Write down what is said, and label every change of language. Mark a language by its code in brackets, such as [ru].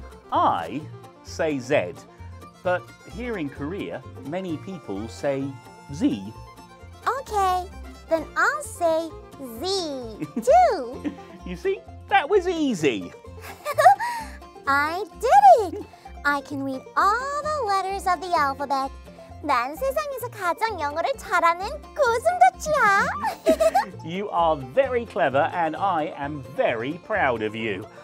[en] I say Z, but here in Korea, many people say Z. Okay, then I'll say Z too. You see, that was easy. I did it. I can read all the letters of the alphabet. [ko] 난 세상에서 가장 영어를 잘하는 고슴도치야! [en] You are very clever and I am very proud of you.